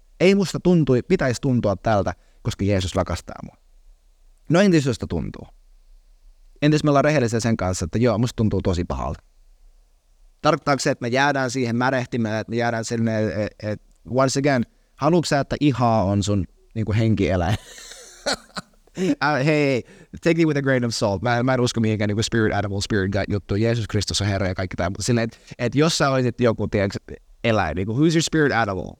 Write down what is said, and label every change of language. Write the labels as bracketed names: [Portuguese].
[Finnish] Ei musta pitäisi tuntua tältä, koska Jeesus rakastaa mua. No entäs jos tuntuu? Entäs me ollaan rehellisiä sen kanssa, että joo, musta tuntuu tosi pahalta. Tarkoittaako se, että me jäädään siihen märehtimään, että me jäädään sinne, että [English] once again, [Finnish] haluatko sä, että ihaa on sun niin kuin henkieläin? [English] hey, take it with a grain of salt. [Finnish] Mä en usko mihinkään niin kuin spirit animal, spirit gut juttu. Jeesus Kristus on Herra ja kaikki tämä. Että jos sä olisit joku eläin, niin kuin, [English] who's your spirit animal?